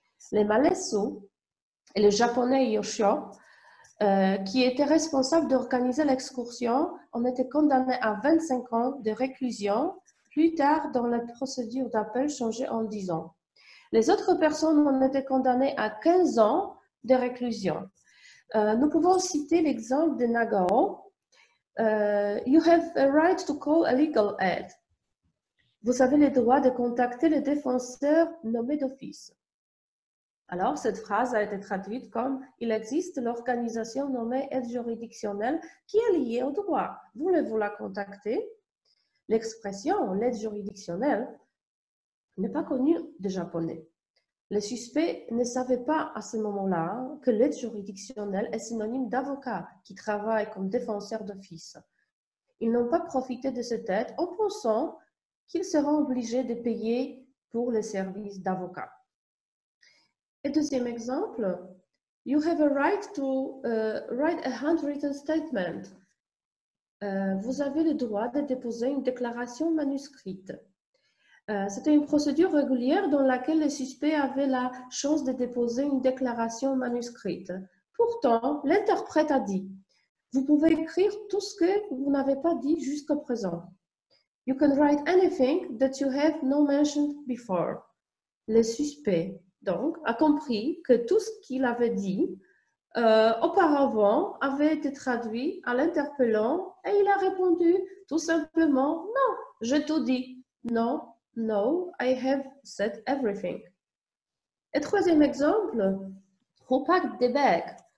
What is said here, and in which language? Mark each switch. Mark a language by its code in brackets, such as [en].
[fr] Les Malaisu et le Japonais Yoshio, qui étaient responsables d'organiser l'excursion, ont été condamnés à 25 ans de réclusion plus tard dans la procédure d'appel changée en 10 ans. Les autres personnes ont été condamnées à 15 ans de réclusion. Nous pouvons citer l'exemple de Nagao. [en] You have a right to call a legal aid. [fr] Vous avez le droit de contacter le défenseur nommé d'office. Alors, cette phrase a été traduite comme « Il existe l'organisation nommée aide juridictionnelle qui est liée au droit. Voulez-vous la contacter ?» L'expression « l'aide juridictionnelle » n'est pas connue des Japonais. Les suspects ne savaient pas à ce moment-là que l'aide juridictionnelle est synonyme d'avocat qui travaille comme défenseur d'office. Ils n'ont pas profité de cette aide en pensant qu'ils seront obligés de payer pour les services d'avocat. Et deuxième exemple, [en] « You have a right to write a handwritten statement. [fr] Vous avez le droit de déposer une déclaration manuscrite. C'était une procédure régulière dans laquelle les suspects avaient la chance de déposer une déclaration manuscrite. Pourtant, l'interprète a dit, vous pouvez écrire tout ce que vous n'avez pas dit jusqu'à présent. [en] You can write anything that you have not mentioned before. [fr] Le suspect, donc, a compris que tout ce qu'il avait dit auparavant avait été traduit à l'interpellant et il a répondu tout simplement, non, j'ai tout dit, non. [en] No, I have said everything. [fr] Et troisième exemple, [en] who packed the bag?